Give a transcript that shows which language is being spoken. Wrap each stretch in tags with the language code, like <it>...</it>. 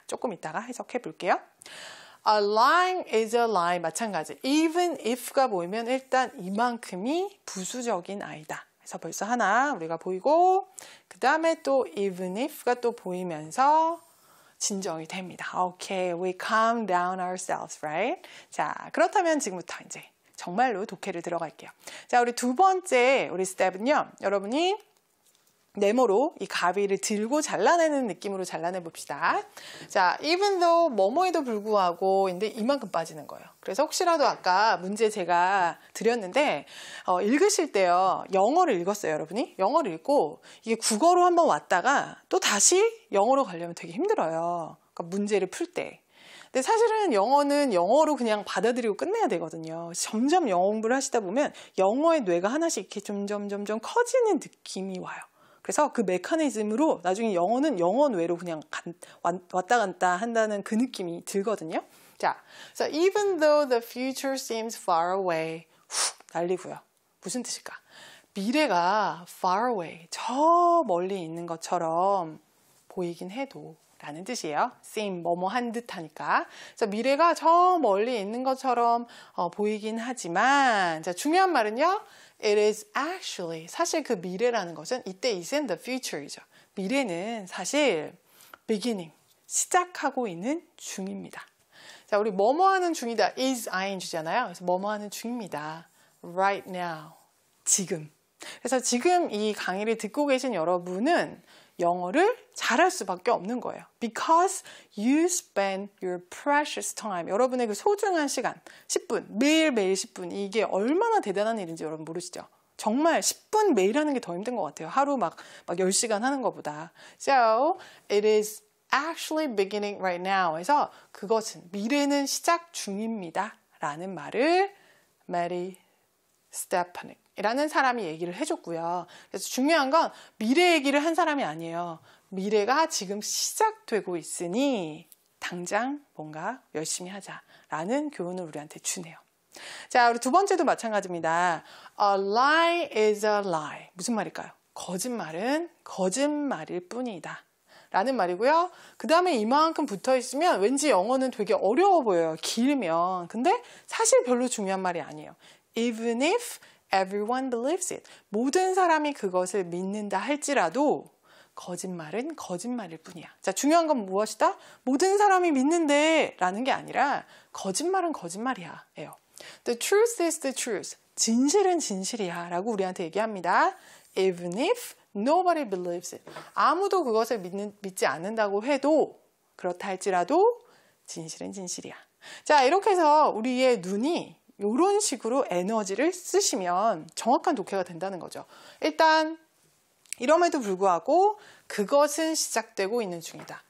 <ko>조금 이따가 해석해 볼게요.</ko> <en>A lying is a lie.</en> <ko>마찬가지. Even if가 보이면 일단 이만큼이 부수적인 아이다. 그래서 벌써 하나 우리가 보이고 그 다음에 또 even if가 또 보이면서 진정이 됩니다.</ko> <en>Okay, we calm down ourselves, right?</en> <ko>자, 그렇다면 지금부터 이제 정말로 독해를 들어갈게요. 자, 우리 두 번째 우리 스텝은요. 여러분이 네모로 이 가위를 들고 잘라내는 느낌으로 잘라내봅시다. 자, even though 뭐뭐에도 불구하고 인데 이만큼 빠지는 거예요. 그래서 혹시라도 아까 문제 제가 드렸는데 읽으실 때요. 영어를 읽었어요, 여러분이? 영어를 읽고 이게 국어로 한번 왔다가 또 다시 영어로 가려면 되게 힘들어요. 그러니까 문제를 풀 때. 근데 사실은 영어는 영어로 그냥 받아들이고 끝내야 되거든요. 점점 영어 공부를 하시다 보면 영어의 뇌가 하나씩 이렇게 점점 커지는 느낌이 와요. 그래서 그 메커니즘으로 나중에 영어는 영어 뇌로 그냥 왔다 갔다 한다는 그 느낌이 들거든요. 자,</ko> <en>so even though the future seems far away,</en> <ko>훅 날리고요. 무슨 뜻일까? 미래가</ko> <en>far away,</en> <ko>저 멀리 있는 것처럼 보이긴 해도 라는 뜻이에요. seem 뭐뭐 한 듯하니까. 자, 미래가 저 멀리 있는 것처럼 보이긴 하지만 자, 중요한 말은요.</ko> <en>It is actually</en> <ko>사실 그 미래라는 것은 이때</ko> <en>is in the future이죠.</en> <ko>미래는 사실 beginning 시작하고 있는 중입니다. 자, 우리 뭐뭐 하는 중이다. is ing잖아요. 그래서 뭐뭐 하는 중입니다.</ko> <en>right now.</en> <ko>지금. 그래서 지금 이 강의를 듣고 계신 여러분은 영어를 잘할 수밖에 없는 거예요.</ko> <en>Because you spend your precious time.</en> <ko>여러분의 그 소중한 시간, 10분, 매일매일 10분. 이게 얼마나 대단한 일인지 여러분 모르시죠? 정말 10분 매일 하는 게 더 힘든 것 같아요. 하루 막 10시간 하는 것보다.</ko> <en>So, it is actually beginning right now.</en> <ko>해서 그것은 미래는 시작 중입니다. 라는 말을 Mary Stepanek. 이라는 사람이 얘기를 해줬고요. 그래서 중요한 건 미래 얘기를 한 사람이 아니에요. 미래가 지금 시작되고 있으니 당장 뭔가 열심히 하자라는 교훈을 우리한테 주네요. 자, 우리 두 번째도 마찬가지입니다.</ko> <en>A lie is a lie.</en> <ko>무슨 말일까요? 거짓말은 거짓말일 뿐이다. 라는 말이고요. 그 다음에 이만큼 붙어 있으면 왠지 영어는 되게 어려워 보여요. 길면. 근데 사실 별로 중요한 말이 아니에요.</ko> <en>Even if everyone believes it.</en> <ko>모든 사람이 그것을 믿는다 할지라도 거짓말은 거짓말일 뿐이야. 자, 중요한 건 무엇이다? 모든 사람이 믿는데 라는 게 아니라 거짓말은 거짓말이야. 에요.</ko> <en>The truth is the truth.</en> <ko>진실은 진실이야. 라고 우리한테 얘기합니다.</ko> <en>Even if nobody believes it.</en> <ko>아무도 그것을 믿지 않는다고 해도 그렇다 할지라도 진실은 진실이야. 자, 이렇게 해서 우리의 눈이 이런 식으로 에너지를 쓰시면 정확한 독해가 된다는 거죠. 일단 이럼에도 불구하고 그것은 시작되고 있는 중이다.</ko>